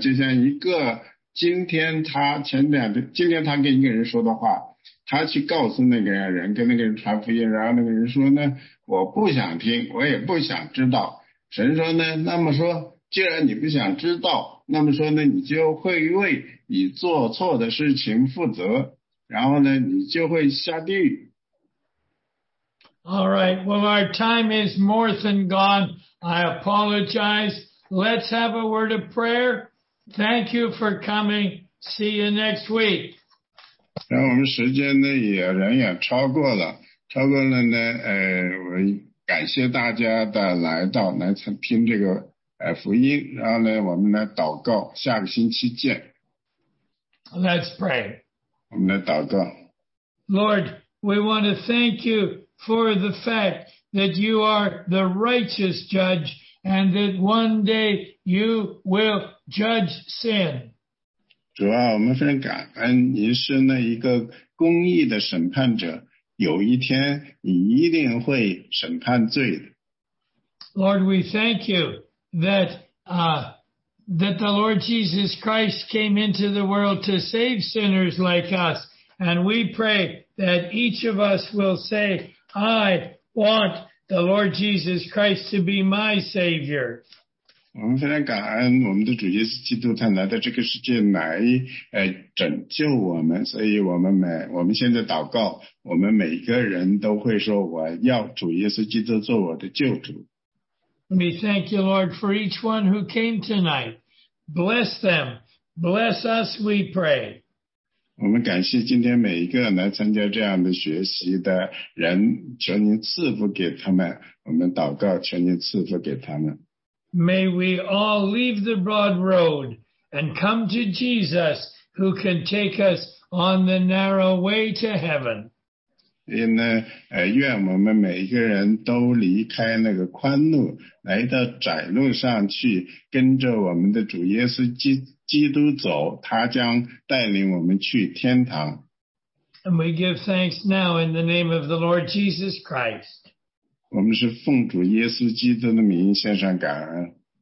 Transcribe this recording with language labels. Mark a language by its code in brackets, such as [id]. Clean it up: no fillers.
[zh] 就像一个今天他跟一个人说的话，他去告诉那个人，跟那个人传福音，然后那个人说呢，我不想听，我也不想知道。神说呢，那么说，既然你不想知道，那么说呢，你就会为你做错的事情负责，然后呢，你就会下地狱。 [en] All right, well, our time is more than gone. I apologize. Let's have a word of prayer. Thank you for coming. See you next week. [zh] 然后我们时间呢也人也超过了呢，我感谢大家的来到，来听这个福音，然后呢我们来祷告，下个星期见。 [en] Let's pray. [zh] 我们来祷告。 [en] Lord, we want to thank you for the fact that you are the righteous judge and that one day you will judge sin. [zh] 主啊，我们非常感恩您是那一个公义的审判者，有一天你一定会审判罪的。 [en] Lord, we thank you that the Lord Jesus Christ came into the world to save sinners like us. And we pray that each of us will say, I want the Lord Jesus Christ to be my Savior. [zh] 我们非常感恩我们的主耶稣基督，他来到这个世界来拯救我们，所以我们现在祷告，我们每个人都会说，我要主耶稣基督做我的救主。 [en] We thank you, Lord, for each one who came tonight. Bless them. Bless us, we pray. [zh] 我们感谢今天每一个来参加这样的学习的人，求您赐福给他们。我们祷告，求您赐福给他们。 [en] May we all leave the broad road and come to Jesus, who can take us on the narrow way to heaven. [zh] 因为愿我们每一个人都离开那个宽路，来到窄路上去，跟着我们的主耶稣基督走，他将带领我们去天堂。 [en] And we give thanks now in the name of the Lord Jesus Christ. [zh] 我们是奉主耶稣基督的名献上感恩。